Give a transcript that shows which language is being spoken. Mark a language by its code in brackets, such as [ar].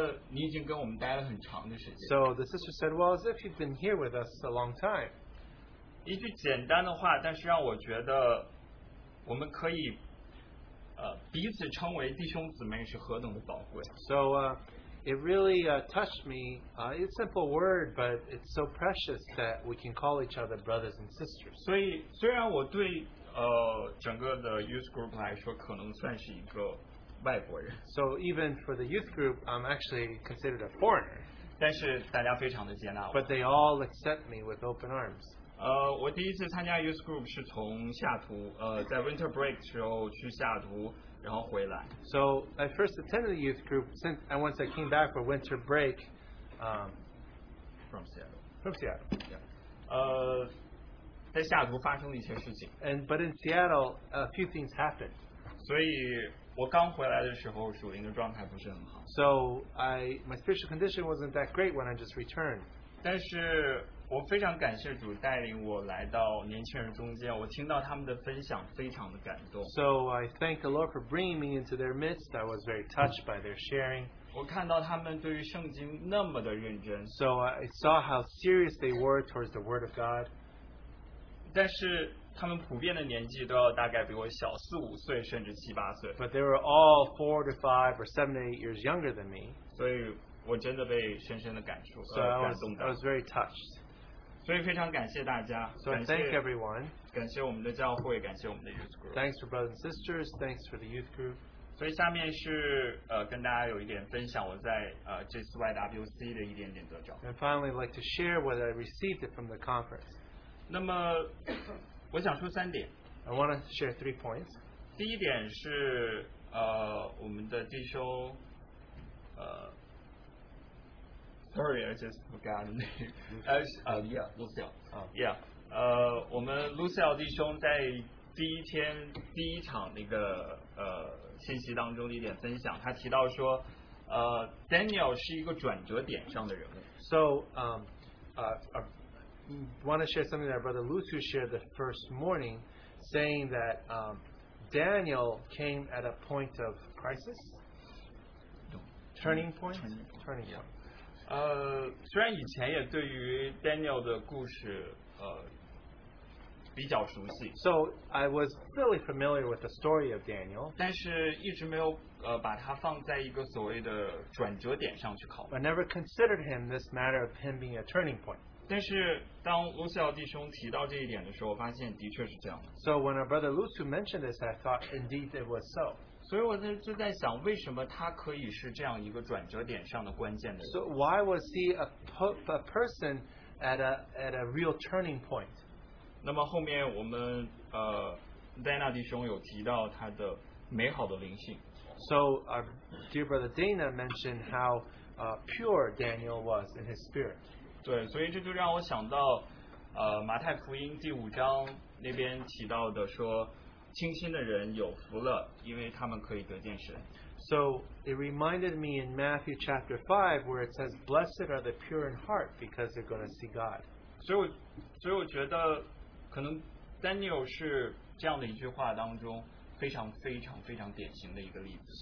[zh] 然后那个姊妹跟我说，好像觉得你已经跟我们待了很长的时间。 [en] So the sister said, well, as if you've been here with us a long time. [zh] 一句简单的话，但是让我觉得。我们可以, 彼此称为弟兄姊妹是何等的宝贵。 [en] So it really touched me. It's a simple word, but it's so precious that we can call each other brothers and sisters. [zh] 所以虽然我对 整个的 youth group 来说可能算是一个外国人。 [en] So even for the youth group, I'm actually considered a foreigner. [zh] 但是大家非常的接纳我。 [en] But they all accept me with open arms. [zh] 我第一次参加 youth group 是从夏图， 在 [en] winter break [zh] 时候去夏图， 然后回来。 [en] So I first attended the youth group since once I came back for winter break, from Seattle. Yeah. [zh] 在夏图发生了一些事情。 [en] But in Seattle, a few things happened. [zh] 所以我刚回来的时候，属灵的状态不是很好。 [en] So my spiritual condition wasn't that great when I just returned. [zh] 但是 我非常感谢主带领我来到年轻人中间，我听到他们的分享，非常的感动。So [en] I thank the Lord for bringing me into their midst. I was very touched by their sharing. [zh] 我看到他们对于圣经那么的认真。So [en] I saw how serious they were towards the Word of God. [zh] 但是他们普遍的年纪都要大概比我小4-5岁，甚至7-8岁。But [en] they were all 4 to 5 or 7 to 8 years younger than me. [zh] 所以我真的被深深的感触， [en] So I was very touched. [zh] 所以非常感谢大家。 [en] So thank everyone. [zh] 感谢我们的教会，感谢我们的 youth group. [en] Thanks for brothers and sisters. Thanks for the youth group. [zh] 所以下面是跟大家有一点分享我在这次 YWC 的一点点得着。 [en] And finally, I'd like to share what I received from the conference. [zh] 那么我想说三点。 [en] I want to share three points. [zh] 第一点是我们的弟兄 [en] Sorry, I just forgot the name. Lucille. [zh] 我们 Lucille 弟兄在第一天第一场那个信息当中的一点分享，他提到说，Daniel 是一个转折点上的人物。 [en] So, want to share something that our brother Lucy shared the first morning, saying that Daniel came at a point of crisis. Turning point. [zh] Yeah. 虽然以前也对于 Daniel 的故事比较熟悉 [en] ，So I was really familiar with the story of Daniel， [zh] 但是一直没有把它放在一个所谓的转折点上去考虑。 [en] I never considered him this matter of him being a turning point。 [zh] 但是当 Lucille 弟兄提到这一点的时候，我发现的确是这样的。 [en] So when our brother Lucille mentioned this, I thought indeed it was so。 [zh] 所以我就在想，为什么他可以是这样一个转折点上的关键的人 [en] ？So why was he a person at a real turning point？ [zh] 那么后面我们Dana 弟兄有提到他的美好的灵性。 [en] So our dear brother Dana mentioned how pure Daniel was in his spirit。 [zh] 对，所以这就让我想到马太福音第五章那边提到的说。清心的人有福了，因为他们可以得见神。 [en] So it reminded me in Matthew chapter 5 where it says, "Blessed are the pure in heart, because they're going to see God." [zh] 所以我觉得可能 Daniel 是这样的一句话当中非常非常非常典型的一个例子。